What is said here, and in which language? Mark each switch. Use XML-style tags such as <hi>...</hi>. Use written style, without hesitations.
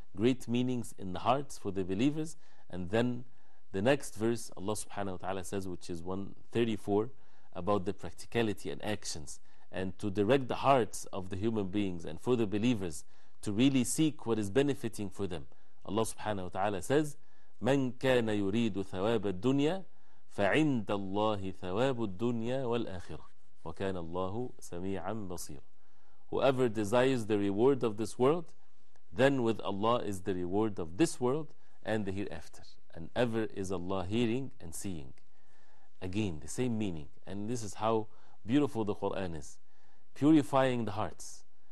<en>Great meanings in the hearts for the believers. And then the next verse, Allah subhanahu wa ta'ala says, which is 134, about the practicality and actions, and to direct the hearts of the human beings and for the believers to really seek what is benefiting for them. Allah subhanahu wa ta'ala says,</en> <ar>مَنْ كَانَ يُرِيدُ ثَوَابَ الدُّنْيَا فَعِنْدَ اللَّهِ ثَوَابُ الدُّنْيَا وَالْآخِرَةِ وَكَانَ اللَّهُ سَمِيعًا بَصِيرًا.</ar> <en>Whoever desires the reward of this world, then with Allah is the reward of this world and the hereafter. And ever is Allah hearing and seeing. Again, the same meaning. And this is how beautiful the Quran is. Purifying the hearts.</en>